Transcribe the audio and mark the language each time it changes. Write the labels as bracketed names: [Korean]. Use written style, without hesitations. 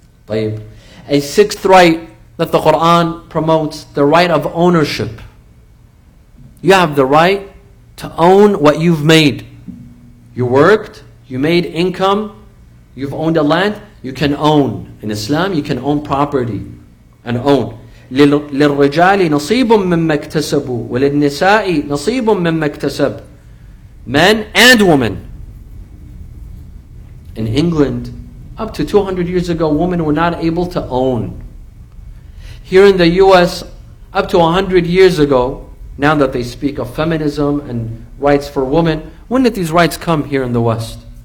[English] A sixth right that the Quran promotes, the right of ownership. You have the right to own what you've made. You worked, you made income, you've owned a land, you can own. In Islam, you can own property and own. [Arabic] لِلرِّجَالِ نَصِيبٌ مِمَّا اكْتَسَبُوا وَلِلنِّسَاءِ نَصِيبٌ مِمَّا اكْتَسَبْ [English] Men and women. In England, up to 200 years ago, women were not able to own. Here in the US, up to 100 years ago, now that they speak of feminism and rights for women, when did these rights come here in the West?